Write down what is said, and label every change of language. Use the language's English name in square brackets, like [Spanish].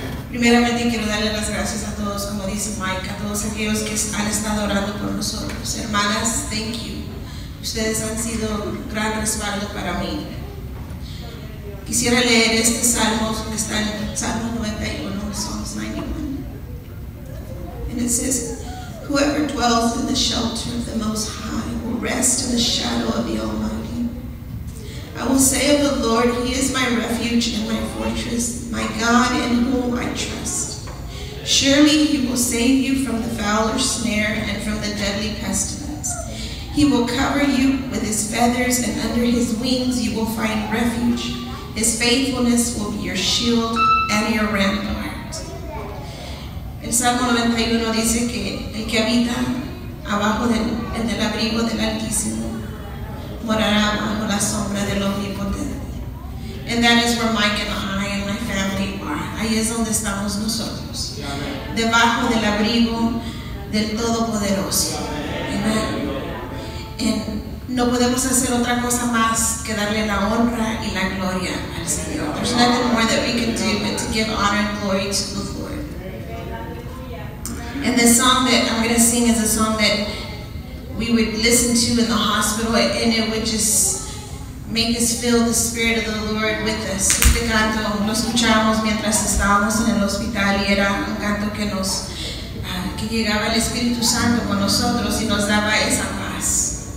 [Spanish] Primeramente quiero darle las gracias a todos, como dice Mike, a todos aquellos que han estado orando por nosotros. Hermanas, [English] thank you. [Spanish] Ustedes han sido un gran respaldo para mí. Quisiera leer este salmo que está en Salmo 91, Psalms 91. [English] And it says, whoever dwells in the shelter of the Most High will rest in the shadow of the Almighty. I will say of the Lord, He is my refuge and my fortress, my God in whom I trust. Surely He will save you from the fowler's snare and from the deadly pestilence. He will cover you with His feathers, and under His wings you will find refuge. His faithfulness will be your shield and your rampart. [Spanish] El Salmo 91 dice que el que habita abajo del abrigo del Altísimo morará bajo la sombra del Omnipotente. [English] And that is where Mike and I and my family are. [Spanish] Ahí es donde estamos nosotros. Debajo del abrigo del Todopoderoso. Amen. No podemos hacer otra cosa más que darle la honra y la gloria al Señor. [English] There's nothing more that we can do but to give honor and glory to the Lord. And the song that I'm going to sing is a song that we would listen to in the hospital, and it would just make us feel the Spirit of the Lord with us. [Spanish] Este canto lo escuchamos mientras estábamos en el hospital y era un canto que llegaba el Espíritu Santo con nosotros y nos daba esa paz.